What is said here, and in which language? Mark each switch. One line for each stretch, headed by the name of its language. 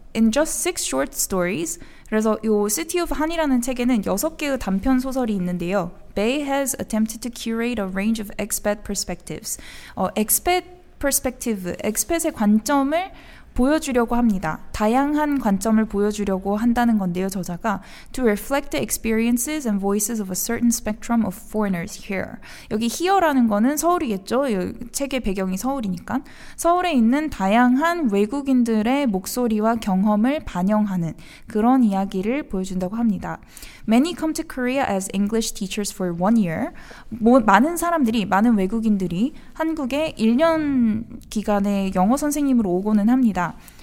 English: In just six short stories,
Korean: 그래서 이 City of Han이라는 책에는 여섯 개의 단편 소설이 있는데요.
English: Bay has attempted to curate a range of expat perspectives.
Korean: Expat perspective, expat의 관점을 보여주려고 합니다. 다양한 관점을 보여주려고 한다는 건데요, 저자가.
English: To reflect the experiences and voices of a certain spectrum of foreigners here.
Korean: 여기 here라는 거는 서울이겠죠. 책의 배경이 서울이니까. 서울에 있는 다양한 외국인들의 목소리와 경험을 반영하는 그런 이야기를 보여준다고 합니다.
English: Many come to Korea as English teachers for one year.
Korean: 많은 사람들이, 많은 외국인들이 한국에 1년 기간의 영어 선생님으로 오고는 합니다.